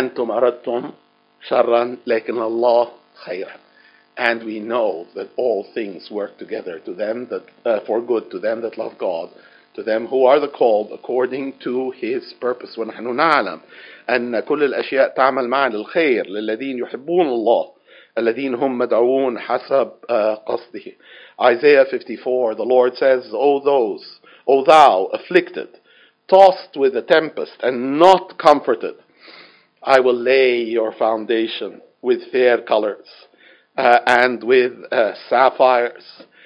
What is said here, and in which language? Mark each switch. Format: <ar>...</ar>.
<ar>أنتم أردتم شرا لكن الله خيرا.</ar> <en>And we know that all things work together to them that for good to them that love God, to them who are the called according to his purpose.</en> <ar>ونحن نعلم أن كل الأشياء تعمل معا للخير للذين يحبون الله الذين هم مدعوون حسب قصده.</ar> <en>Isaiah 54, the Lord says, O thou afflicted, tossed with a tempest and not comforted, I will lay your foundation with fair colors and with sapphires.</en>